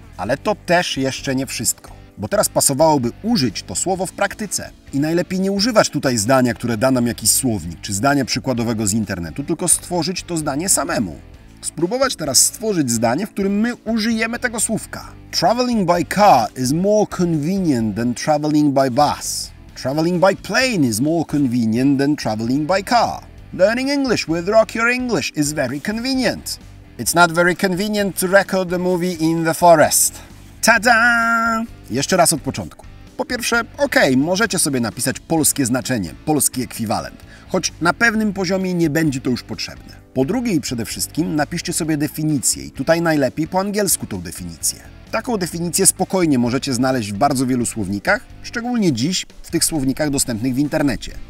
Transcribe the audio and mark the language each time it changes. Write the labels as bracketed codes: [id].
[pl] Ale to też jeszcze nie wszystko. Bo teraz pasowałoby użyć to słowo w praktyce. I najlepiej nie używać tutaj zdania, które da nam jakiś słownik, czy zdania przykładowego z internetu, tylko stworzyć to zdanie samemu. Spróbować teraz stworzyć zdanie, w którym my użyjemy tego słówka. [en] Traveling by car is more convenient than traveling by bus. Traveling by plane is more convenient than traveling by car. Learning English with Rock Your English is very convenient. It's not very convenient to record a movie in the forest. Ta-da! [pl] Jeszcze raz od początku. Po pierwsze, okej, możecie sobie napisać polskie znaczenie, polski ekwiwalent, choć na pewnym poziomie nie będzie to już potrzebne. Po drugie i przede wszystkim napiszcie sobie definicję i tutaj najlepiej po angielsku tą definicję. Taką definicję spokojnie możecie znaleźć w bardzo wielu słownikach, szczególnie dziś w tych słownikach dostępnych w internecie.